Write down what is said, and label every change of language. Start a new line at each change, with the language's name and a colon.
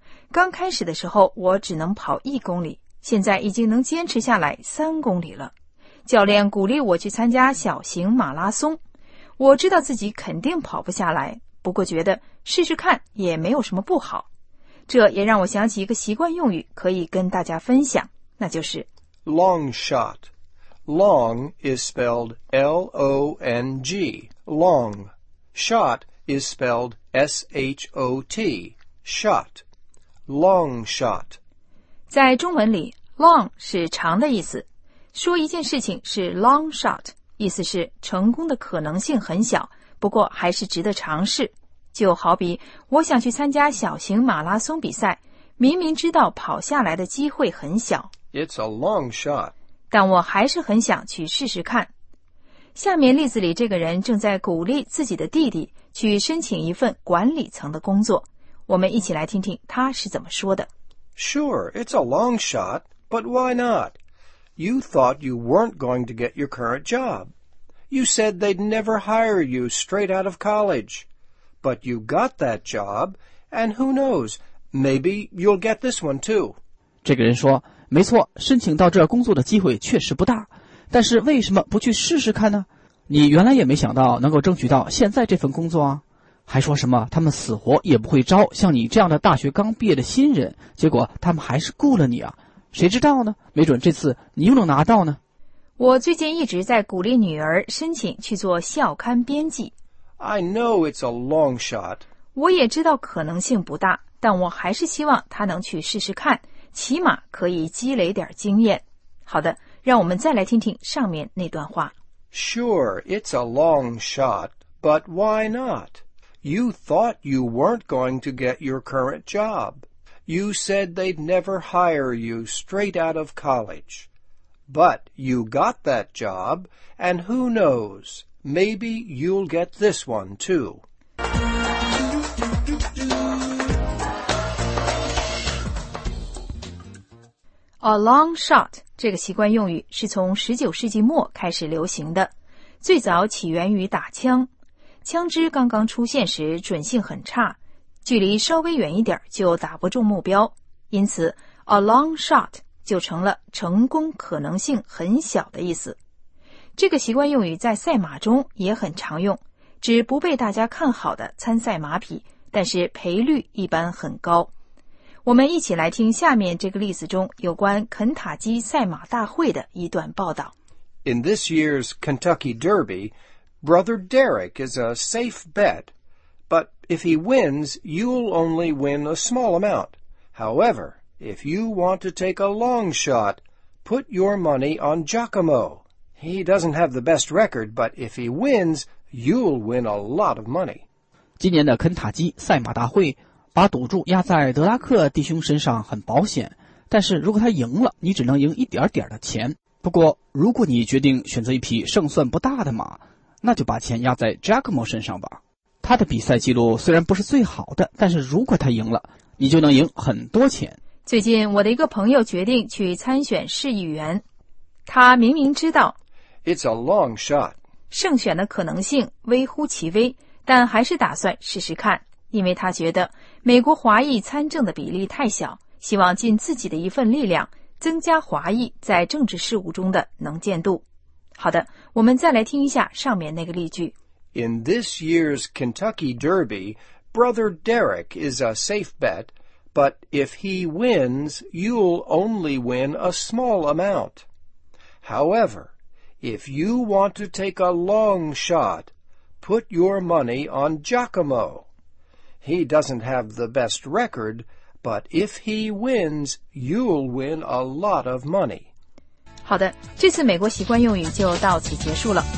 Chinese: 刚开始的时候，我只能跑一公里，现在已经能坚持下来三公里了。教练鼓励我去参加小型马拉松，我知道自己肯定跑不下来。不过觉得试试看也没有什么不好。这也让我想起一个习惯用语可以跟大家分享，那就是
English: long shot. Long is spelled L-O-N-G, long. Shot is spelled S-H-O-T, shot. Long shot.
Chinese: 在中文里 long 是长的意思，说一件事情是 long shot， 意思是成功的可能性很小，不过还是值得尝试。就好比我想去参加小型马拉松比赛，明明知道跑下来的机会很小，
English: It's a long shot，
Chinese: 但我还是很想去试试看。下面例子里这个人正在鼓励自己的弟弟去申请一份管理层的工作，我们一起来听听他是怎么说的。
English: Sure, it's a long shot, but why not? You thought you weren't going to get your current job. You said they'd never hire you straight out of college. But you got that job, and who knows, maybe you'll get this one too.
Chinese: 这个人说，没错，申请到这工作的机会确实不大，但是为什么不去试试看呢？你原来也没想到能够争取到现在这份工作啊。还说什么，他们死活也不会招像你这样的大学刚毕业的新人，结果他们还是雇了你啊。谁知道呢？没准这次你又能拿到呢。我最近一直在鼓励女儿申请去做校刊编辑。
English: I know it's a long shot.
Chinese: 我也知道可能性不大，但我还是希望她能去试试看，起码可以积累点经验。好的，让我们再来听听上面那段话。
English: Sure, it's a long shot, but why not? You thought you weren't going to get your current job. You said they'd never hire you straight out of college. But you got that job, and who knows, maybe you'll get this one too.
Chinese: A long shot 这个习惯用语是从19世纪末开始流行的，最早起源于打枪，枪支刚刚出现时准性很差，距离稍微远一点就打不中目标，因此 a long shot 就成了成功可能性很小的意思。这个习惯用语在赛马中也很常用，指不被大家看好的参赛马匹，但是赔率一般很高。我们一起来听下面这个例子中有关肯塔基赛马大会的一段报道。
English: In this year's Kentucky Derby, Brother Derek is a safe bet. But if he wins, you'll only win a small amount. However, if you want to take a long shot, put your money on Giacomo. He doesn't have the best record, but if he wins, you'll win a lot of money.
Chinese: 今年的肯塔基赛马大会把赌注压在德拉克弟兄身上很保险，但是如果他赢了，你只能赢一点点的钱。不过如果你决定选择一匹胜算不大的马，那就把钱压在 Giacomo 身上吧。他的比赛记录虽然不是最好的，但是如果他赢了，你就能赢很多钱。最近我的一个朋友决定去参选市议员，他明明知道
English: It's a long shot
Chinese: 胜选的可能性微乎其微，但还是打算试试看，因为他觉得美国华裔参政的比例太小，希望尽自己的一份力量增加华裔在政治事务中的能见度。好的，我们再来听一下上面那个例句。
English: In this year's Kentucky Derby, Brother Derek is a safe bet, but if he wins, you'll only win a small amount. However, if you want to take a long shot, put your money on Giacomo. He doesn't have the best record, but if he wins, you'll win a lot of money.
Chinese: 好的，这次美国习惯用语就到此结束了。